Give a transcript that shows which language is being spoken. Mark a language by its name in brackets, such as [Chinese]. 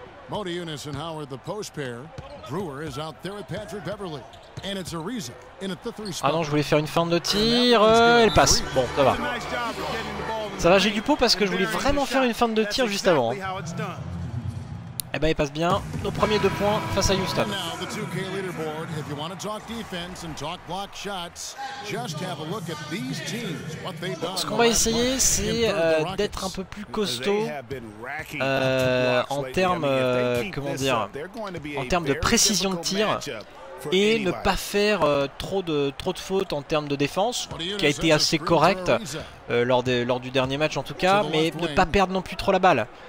[English] Modi Unis and Howard, the post pair. Brewer is out there with Patrick Beverly. And it's a reason. In at the three spot. [French] Ah non, je voulais faire une fin de tir. Elle passe. Bon, ça va. Ça va, j'ai du pot parce que je voulais vraiment faire une fin de tir juste avant. Eh ben, il passe bien. Nos premiers deux points face à Houston. [English] If you want to talk defense and talk block shots, just have a look at these teams. What they done. [French] Ce qu'on va essayer, c'est d'être un peu plus costaud en termes de précision de tir et ne pas faire trop de fautes en termes de défense, qui a été assez correct lors du dernier match en tout cas, mais ne pas perdre non plus trop la balle.